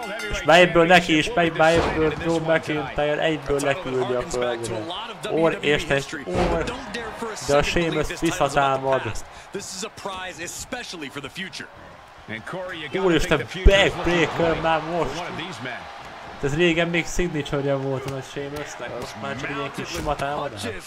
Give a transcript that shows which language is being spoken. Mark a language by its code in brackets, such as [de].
[hu] És melyből neki is, melyből Drew McIntyre egyből leküldi a földre. Or, és te or, de a Sheamus visszatámad. [en] This is a prize especially for the future. And Corey, you got to take the backbreaker, man. [hu] Most. Ez régen még signature-ja volt, hogy Sheamusnek. Most már csak ilyen kis sima támadás.